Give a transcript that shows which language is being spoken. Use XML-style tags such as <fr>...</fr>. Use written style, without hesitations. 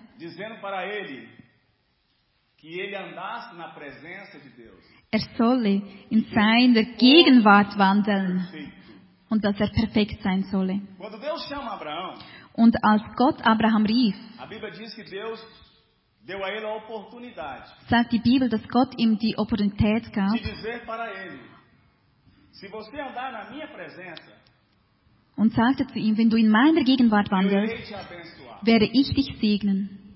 <pt>dizendo para ele, que ele andasse na presença de Deus,</pt> <de>er solle in seiner Gegenwart wandeln und dass er perfekt sein solle.</de> <pt>Quando Deus chama Abraham,</pt> <de>und als Gott Abraham rief,</de> <pt>a Bíblia diz que Deus deu a ele a oportunidade.</pt> <de>Sagt die Bibel, dass Gott ihm die Opportunität gab.</de> <pt>De dizer para ele, se você andar na minha presença,</pt> <de>und sagte zu ihm, wenn du in meiner Gegenwart wandelst, werde ich dich segnen.</de>